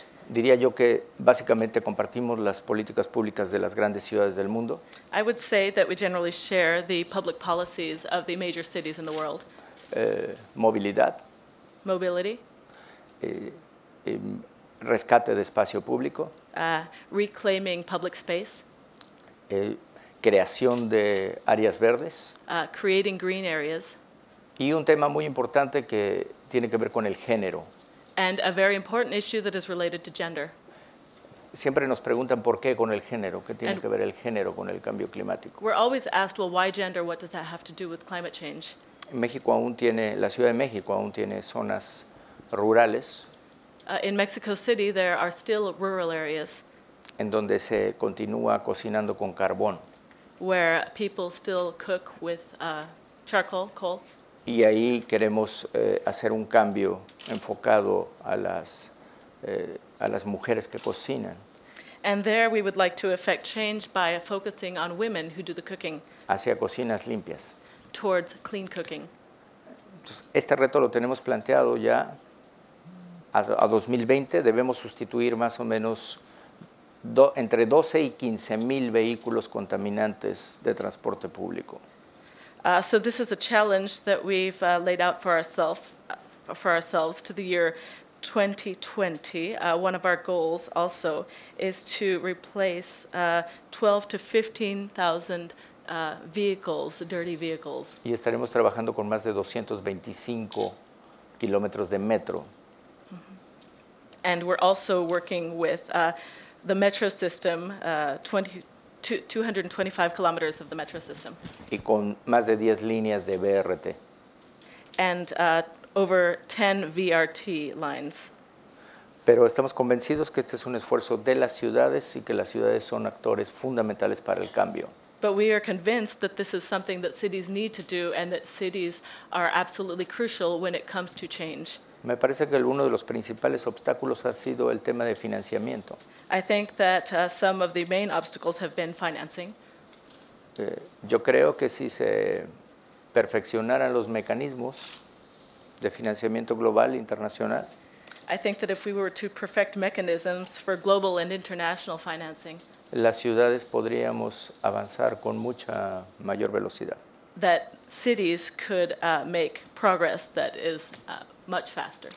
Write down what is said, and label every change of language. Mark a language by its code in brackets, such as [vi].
[es] Diría yo que básicamente compartimos las políticas públicas de las grandes ciudades del mundo. [en] I would say that we generally share the public policies of the major cities in the world. [es] Movilidad. [en] Mobility. [es] Rescate de espacio público. [en] Reclaiming public space. [es] Creación de áreas verdes. [en] Creating green areas. [es] Y un tema muy importante que tiene que ver con el género. [en] And a very important issue that is related to gender. [es] Siempre nos preguntan por qué con el género, qué tiene que ver el género con el cambio climático. [en] We're always asked, well, why gender? What does that have to do with climate change? [es] México aún tiene, la Ciudad de México aún tiene zonas rurales. [en] In Mexico City, there are still rural areas. [es] En donde se continúa cocinando con carbón. [en] Where people still cook with charcoal, coal. [es] Y ahí queremos hacer un cambio enfocado a las mujeres que cocinan. [en] And there we would like to effect change by focusing on women who do the cooking. [es] Hacia cocinas limpias. [en] Towards clean cooking. [es] Entonces, este reto lo tenemos planteado ya a 2020. Debemos sustituir más o menos entre 12 y 15 mil vehículos contaminantes de transporte público. [en] So this is a challenge that we've laid out for ourselves to the year 2020. One of our goals also is to replace 12 to 15,000 vehicles, dirty vehicles. [es] Y estaremos trabajando con más de 225 kilómetros de metro. Mm-hmm. [en] And we're also working with the metro system, 225 kilometers of the metro system. [es] Y con más de 10 líneas de BRT. [en] And over 10 VRT lines. [es] Pero estamos convencidos que este es un esfuerzo de las ciudades y que las ciudades son actores fundamentales para el cambio. [en] But we are convinced that this is something that cities need to do and that cities are absolutely crucial when it comes to change. [es] Me parece que uno de los principales obstáculos ha sido el tema de financiamiento. [en] I think that some of the main obstacles have been financing. [es] Yo creo que si se perfeccionaran los mecanismos de financiamiento global e internacional. [en] I think that if we were to perfect mechanisms for global and international financing. [es] Las ciudades podríamos avanzar con mucha mayor velocidad. [en] That cities could make progress that is much faster.